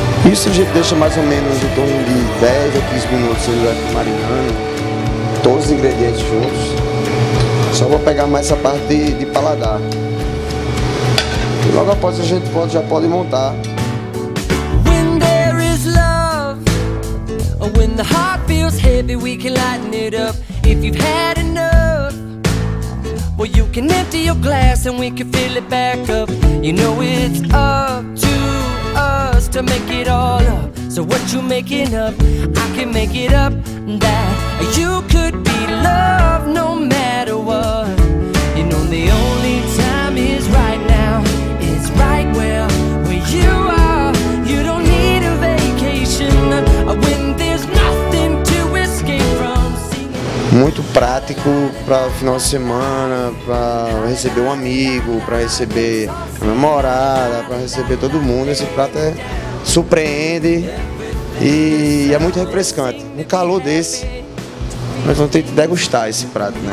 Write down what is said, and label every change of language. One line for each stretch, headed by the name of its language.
Portuguese: Isso a gente deixa mais ou menos em torno de 10 a 15 minutos marinando todos os ingredientes juntos. Só vou pegar mais essa parte de paladar. E logo após a gente já pode montar.
English: When there is love, or when the heart feels heavy, we can lighten it up. If you've had enough, well, you can empty your glass and we can fill it back up. You know it's up to us to make it all up. So what you making up? I can make it up that you could be loved no matter what. You know the only time is right now, is right where you are. You don't need a vacation when there's nothing to escape from.
Portuguese: Muito prático para final de semana, para receber um amigo, para receber a namorada, para receber todo mundo. Esse prato é, surpreende e é muito refrescante. Um calor desse, nós vamos ter que degustar esse prato, né?